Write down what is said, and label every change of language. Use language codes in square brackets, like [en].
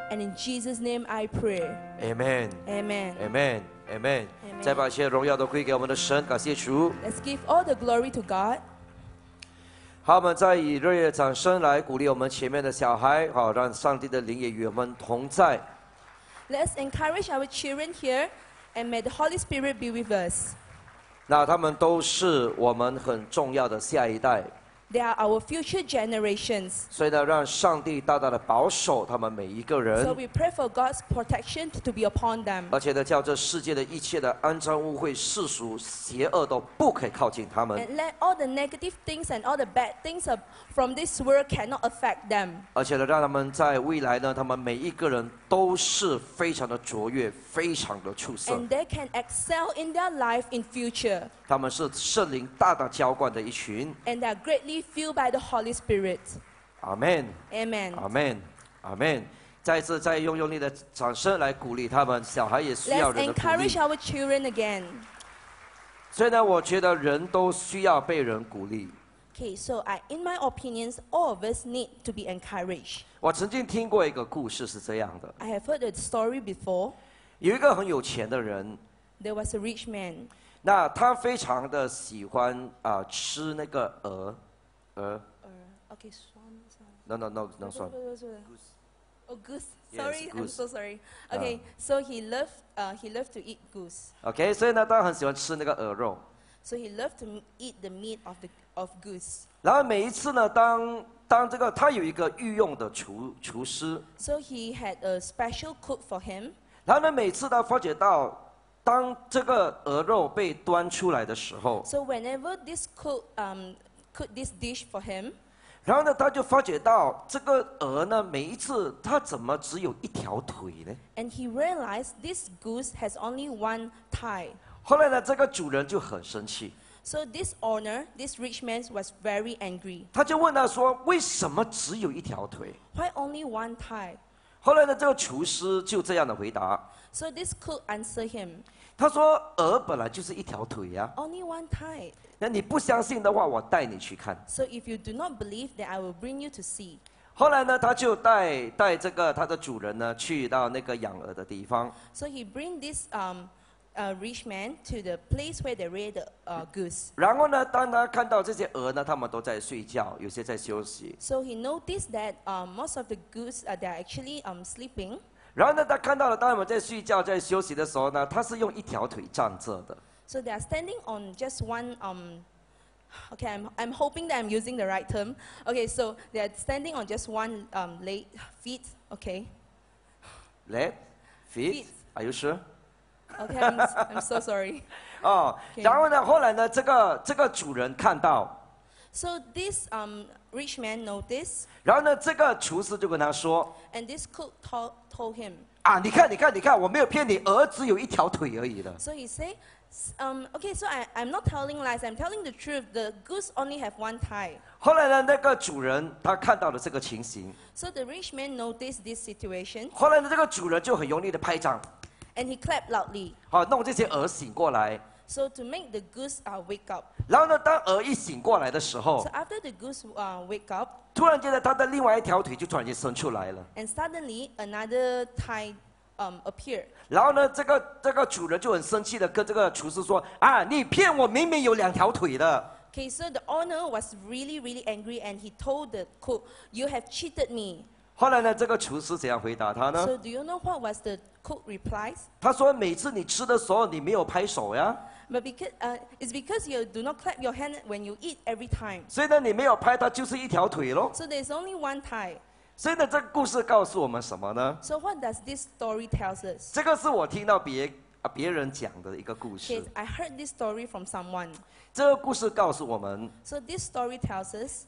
[en] And in Jesus' name I pray。 Amen。 Amen。 Amen。 Amen. Amen. [zh] 再把一些荣耀都归给我们的神，感谢主。 [en] Let's give all the glory to God. [zh] 好，我们再以热烈的掌声来鼓励我们前面的小孩，好，让上帝的灵也与我们同在。 [en] Let's encourage our children here, and may the Holy Spirit be with us. [zh] 那他们都是我们很重要的下一代。 [en] They are our future generations. [zh] 所以呢，让上帝大大的保守他们每一个人。 [en] So we pray for God's protection to be upon them. [zh] 而且呢，叫这世界的一切的肮脏污秽、世俗、邪恶都不可以靠近他们。 [en] And let all the negative things and all the bad things from this world cannot affect them. [zh] 而且呢，让他们在未来呢，他们每一个人都是非常的卓越、非常的出色。 [en] And they can excel in their life in future. [zh] 他们是圣灵大大浇灌的一群。 [en] And they are great. Filled by the Holy Spirit. Amen. Amen. Amen. Amen. [zh] 再次再用用力的掌声来鼓励他们，小孩也需要人的鼓励。 [en] Let's encourage our children again. [zh] 所以呢，我觉得人都需要被人鼓励。 [en] Okay, so in my opinions, all of us need to be encouraged. [zh] 我曾经听过一个故事是这样的。 [en] I have heard a story before. [zh] 有一个很有钱的人。 [en] There was a rich man. [zh] 那他非常的喜欢啊吃那个鹅。 [en] Okay, swan. No, no, no, no, swan. Oh, goose. Sorry, yes, goose. I'm so sorry. Okay, so he loved to eat goose. [zh] Okay, 所以呢，他很喜欢吃那个鹅肉。 [en] So he loved to eat the meat of goose. [zh] 然后每一次呢，当这个他有一个御用的厨师。 [en] So he had a special cook for him. [zh] 然后呢，每次他发觉到。当这个鹅肉被端出来的时候。 [en] So whenever this cook, cook this dish for him. [zh] 然后呢，他就发觉到这个鹅呢，每一次他怎么只有一条腿呢 [en] ？And he realized this goose has only one thigh. [zh] 后来呢，这个主人就很生气。 [en] So this owner, this rich man, was very angry. [zh] 他就问他说：“为什么只有一条腿 [en] ？”Why only one thigh？ [zh] 后来呢，这个厨师就这样的回答。 [en] So this cook answered him. [zh] 他说：“鹅本来就是一条腿呀。” [en] Only one thigh. [zh] 那你不相信的话，我带你去看。 [en] So if you do not believe, then I will bring you to see. [zh] 后来呢，他就带这个他的主人呢，去到那个养鹅的地方。 [en] So he bring this rich man to the place where they raise the goose. [zh] 然后呢，当他看到这些鹅呢，他们都在睡觉，有些在休息。 [en] So he noticed that most of the goose they are actually sleeping. [zh] 然后呢，他看到了，当他们在睡觉、在休息的时候呢，他是用一条腿站着的。 [en] So they are standing on just one Okay, I'm hoping that I'm using the right term. Okay, so they are standing on just one leg feet. Okay. Leg, feet. Are you sure? Okay, I'm so sorry. [zh] Oh, okay. 然后呢，后来呢，这个主人看到。 [en] So this rich man noticed. [zh] 然后呢，这个厨师就跟他说。 [en] And this cook told him. [zh] 啊，你看，你看，你看，我没有骗你，儿子有一条腿而已的。 [en] So he said, okay, so I'm not telling lies. I'm telling the truth. The goose only have one thigh. [zh] 后来呢，那个主人他看到了这个情形。 [en] So the rich man noticed this situation. [zh] 后来呢，这个主人就很用力的拍掌。 [en] And he clapped loudly. [zh] 好，弄这些鹅醒过来。 [en] So to make the goose wake up. [zh] 然后呢，当鹅一醒过来的时候 [en] ，So after the goose wake up， [zh] 突然间呢，它的另外一条腿就突然间伸出来了。 [en] And suddenly another thigh appear. [zh] 然后呢，这个主人就很生气的跟这个厨师说：“啊，你骗我，明明有两条腿的。” [en] Okay, so the owner was really, really angry, and he told the cook, "You have cheated me." [zh] 后来呢，这个厨师怎样回答他呢 [en] ？So do you know what was the cook replies? [zh] 他说：“每次你吃的时候，你没有拍手呀。” [en] But because it's because you do not clap your hand when you eat every time. [zh] 所以呢，你没有拍，它就是一条腿咯。 [en] So there's only one thigh. [zh] 所以呢，这个故事告诉我们什么呢 [en] ？So what does this story tells us? [zh] 这个是我听到别人讲的一个故事。 [en] Okay, I heard this story from someone. [zh] 这个故事告诉我们。 [en] So this story tells us.